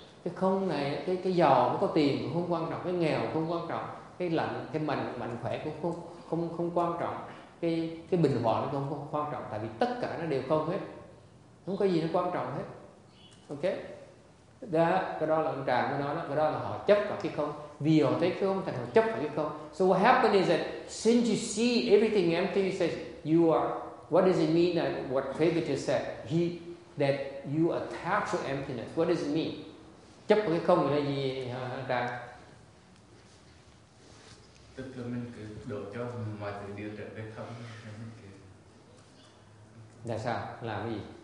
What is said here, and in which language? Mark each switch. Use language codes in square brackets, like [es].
[vi] Cái không này, cái giàu nó có tiền cũng không quan trọng, cái nghèo không quan trọng, cái lạnh, cái mạnh khỏe cũng không quan trọng, cái bình hòa nó cũng không quan trọng, tại vì tất cả nó đều không hết, không có gì nó quan trọng hết. Ok. Đó, cái đó là ông Tràng mới nói đó, cái đó là họ chấp vào cái không. Vì họ thấy cái không, thành họ chấp vào cái không. [en] So what happened is that since you see everything empty, you say you are, what does it mean that what Trivedi just said? He, that you attach to emptiness. What does it mean? [vi] Chấp vào cái không là gì, ông Tràng? Tức là mình cứ đổ cho mọi thứ đều trở về không. Là sao? Làm cái gì?